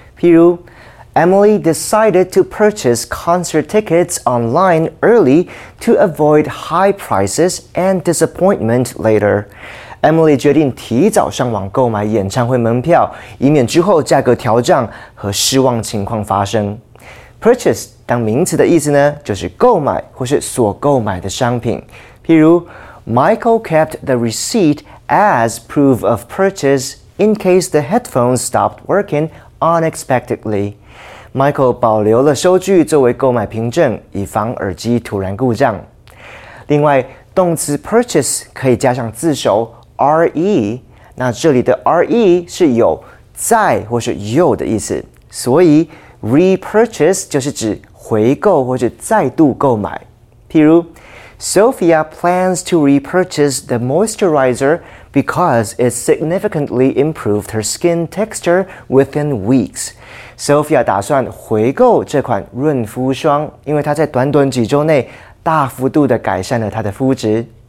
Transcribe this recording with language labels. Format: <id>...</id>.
<zh>譬如</zh> <en>，Emily decided to purchase concert tickets online early to avoid high prices and disappointment later.</en> <zh>Emily 决定提早上网购买演唱会门票，以免之后价格调涨和失望情况发生。 Purchase 当名词的意思呢，就是购买或是所购买的商品。譬如</zh> <en>，Michael kept the receipt as proof of purchase in case the headphones stopped working unexpectedly.</en> <zh>Michael 保留了收据作为购买凭证，以防耳机突然故障。另外，动词 purchase 可以加上自首 re， 那这里的 re 是有在或是有的意思，所以。 Repurchase 就是指回购或者再度购买。譬如</zh> <en>，Sophia plans to repurchase the moisturizer because it significantly improved her skin texture within weeks.</en> <zh>Sophia 打算回购这款润肤霜，因为她在短短几周内大幅度地改善了她的肤质。</zh>